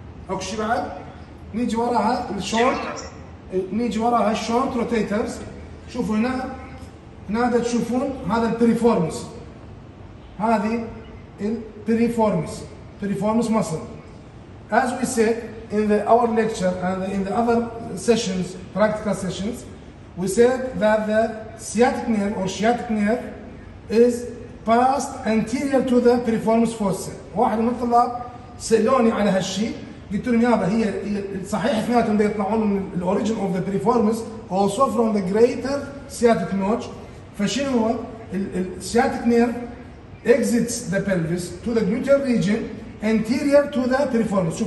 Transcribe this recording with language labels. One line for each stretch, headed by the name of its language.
Arabic: اكو شي بعد؟ نيجي وراها الشورت، نيجي وراها الشورت روتيترز. شوفوا هنا، هنا تشوفون هذا البريفورمس، هذه البريفورمس، بريفورمس مسل.
English: As we said in the our lecture and in the other sessions, practical sessions, we said that the sciatic nerve or sciatic nerve is passed anterior to the piriformis fossa.
Arabic: واحد من الطلاب سألوني على هالشيء، قلت لهم يابا هي صحيح اثنيناتهم بيطلعون من ال
English: origin of the piriformis also from the greater sciatic notch.
Arabic: فشنو هو؟
English: ال sciatic nerve exits the pelvis to the gluteal region anterior to the piriformis.